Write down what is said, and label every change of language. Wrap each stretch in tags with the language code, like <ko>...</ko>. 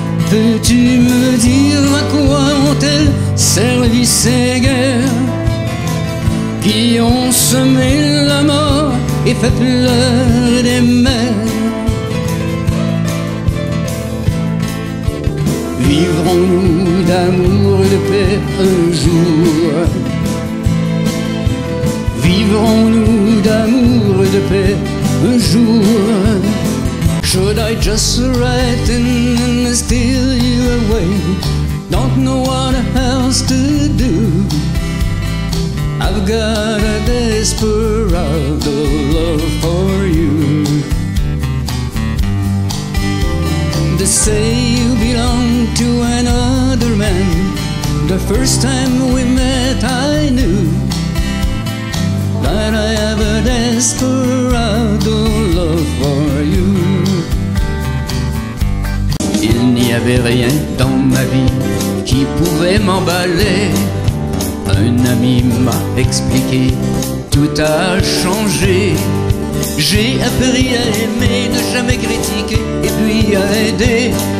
<fr>Peux-tu me dire à quoi ont-elles servi ces guerres qui ont semé la mort et fait pleurer des mères? Vivrons-nous d'amour et de paix un jour? Vivrons-nous d'amour et de paix un jour?</fr> <en>Should I just write and steal you away? Don't know what else to do. I've got a desperado love for you. They say you belong to another man. The first time we met I knew that I have a desperado love for you.</en> <fr>Il n'y avait rien dans ma vie qui pouvait m'emballer. Un ami m'a expliqué, tout a changé. J'ai appris à aimer, ne jamais critiquer et puis à aider.</fr>